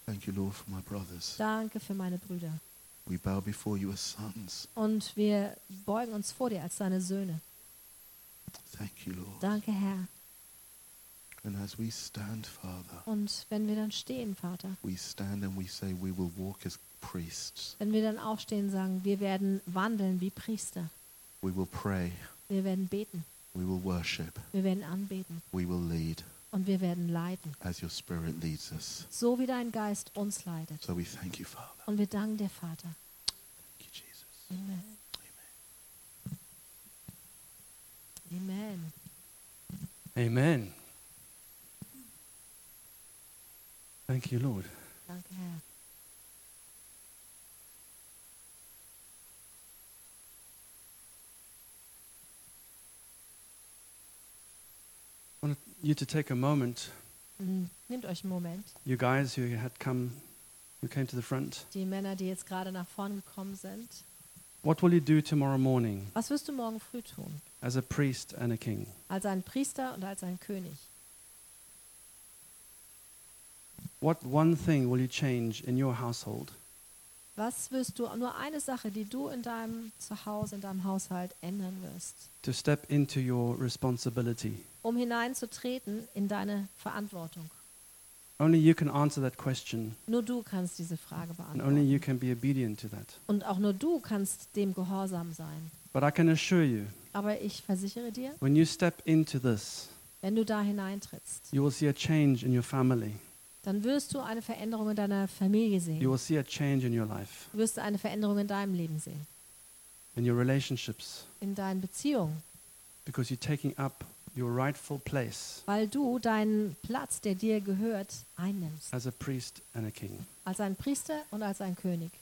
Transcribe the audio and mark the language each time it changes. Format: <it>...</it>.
<en>Thank you, Lord, for my brothers.</en> <de>Danke für meine Brüder.</de> <en>We bow before you as sons.</en> <de>Und wir beugen uns vor dir als deine Söhne.</de> <en>Thank Thank you, Lord.</en> <de>Danke, Herr.</de> <en>And as we stand, Father,</en> <de>und wenn wir dann stehen, Vater,</de> <en>we stand and we say we will walk as priests.</en> <de>Wenn wir dann aufstehen, sagen wir, werden wandeln wie Priester.</de> <en>We will pray.</en> <de>Wir werden beten.</de> <en>We will worship.</en> <de>Wir werden anbeten.</de> <en>We will lead.</en> <de>Und wir werden leiten.</de> <en>As your spirit leads us.</en> <de>So wie dein Geist uns leitet.</de> <en>So we thank you, Father.</en> <de>Und wir danken dir, Vater.</de> <en>Thank you, Jesus. Amen. Amen. Amen. Thank you, Lord.</en> <de>Danke, Herr.</de> <en>I want you to take a moment.</en> <de>Nehmt euch einen Moment.</de> <en>You guys who had come, who came to the front.</en> <de>Die Männer, die jetzt gerade nach vorne gekommen sind.</de> <en>What will you do tomorrow morning?</en> <de>Was wirst du morgen früh tun?</de> <en>As a priest and a king.</en> <de>Als ein Priester und als ein König.</de> <en>What one thing will you change in your household?</en> <de>Was wirst du, nur eine Sache, die du in deinem Zuhause, in deinem Haushalt ändern wirst?</de> <en>To step into your responsibility.</en> <de>Um hineinzutreten in deine Verantwortung.</de> <en>Only you can answer that question.</en> <de>Nur du kannst diese Frage beantworten.</de> <en>Only you can be obedient to that.</en> <de>Und auch nur du kannst dem gehorsam sein.</de> <en>But I can assure you,</en> <de>aber ich versichere dir,</de> <en>when you step into this,</en> <de>wenn du da hineintrittst,</de> <en>you will see a change in your family.</en> <de>Dann wirst du eine Veränderung in deiner Familie sehen.</de> <en>You will see a change in your life.</en> <de>Du wirst eine Veränderung in deinem Leben sehen.</de> <en>In your relationships.</en> <de>In deinen Beziehungen.</de> <en>Because you're taking up your rightful place.</en> <de>Weil du deinen Platz, der dir gehört, einnimmst.</de> <en>As a priest and a king.</en> <de>Als ein Priester und als ein König.</de>